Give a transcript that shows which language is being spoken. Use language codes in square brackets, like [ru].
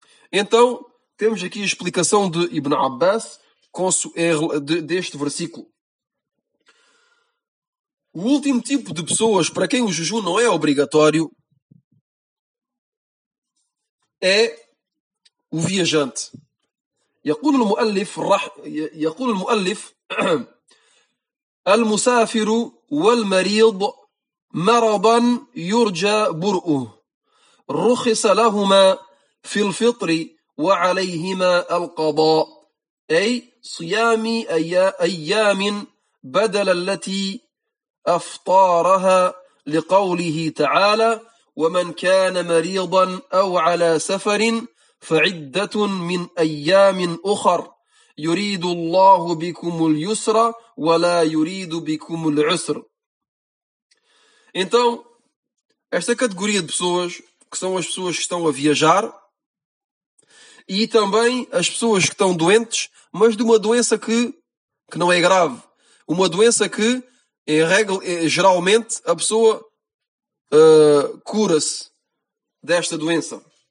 [pt] Então, temos aqui a explicação de Ibn Abbas deste versículo. O último tipo de pessoas para quem o jejum não é obrigatório é o viajante. [ar] يقول المؤلف المسافر والمريض مرضا يرجى برؤه رخص لهما في الفطر وعليهما القضاء أي صيام أيام بدل التي أفطارها لقوله تعالى ومن كان مريضا أو على سفر فعدة من أيام أخر يريد الله بكم اليسر ولا يريد بكم العسر. [pt] Então, esta categoria de pessoas, que são as pessoas que estão a viajar, e também as pessoas que estão doentes, mas de uma doença que não é grave. Uma doença que, em regra, geralmente, a pessoa cura-se desta doença.